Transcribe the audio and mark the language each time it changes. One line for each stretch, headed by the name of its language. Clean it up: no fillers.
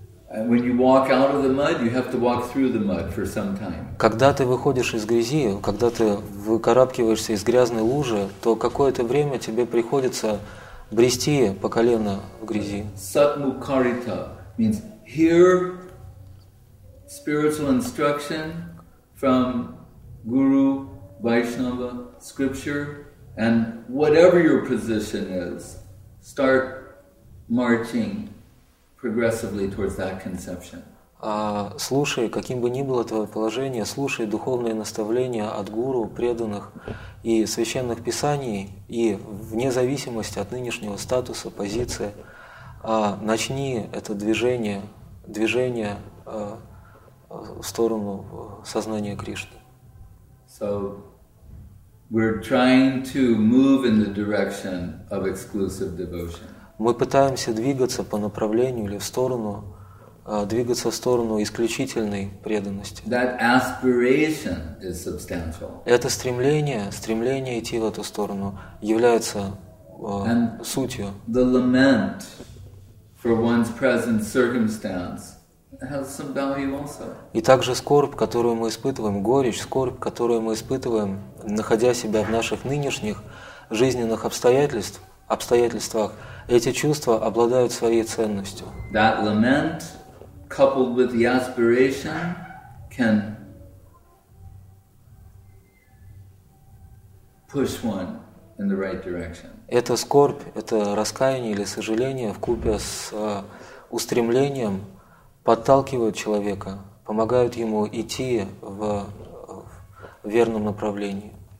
English: And when you walk out of the mud, you have to walk through the mud for some time.
Russian: Когда ты выходишь из грязи, когда ты выкарабкиваешься из грязной лужи, то какое-то время тебе приходится брести по колено в грязи.
English: Satmukharita means hear spiritual instruction from Guru, Vaishnava, scripture, and whatever your position is, start marching progressively towards that conception.
Russian: Слушай, каким бы ни было твое положение, слушай духовные наставления от гуру, преданных и священных писаний, и вне зависимости от нынешнего статуса, позиции, начни это движение в сторону сознания Кришны.
English: So we're trying to move in the direction of exclusive devotion.
Russian: Мы пытаемся двигаться по направлению или в сторону, двигаться в сторону исключительной преданности.
English: That aspiration is substantial.
Russian: Это стремление идти в эту сторону является сутью.
English: The lament for one's present circumstance has some value also.
Russian: И также горечь, скорбь, которую мы испытываем, находя себя в наших нынешних жизненных обстоятельствах, эти чувства обладают своей ценностью.
English: That lament, coupled with the aspiration, can push one in the right direction.
Russian: Это скорбь, это раскаяние или сожаление вкупе с устремлением подталкивают человека, помогают ему идти в верном направлении.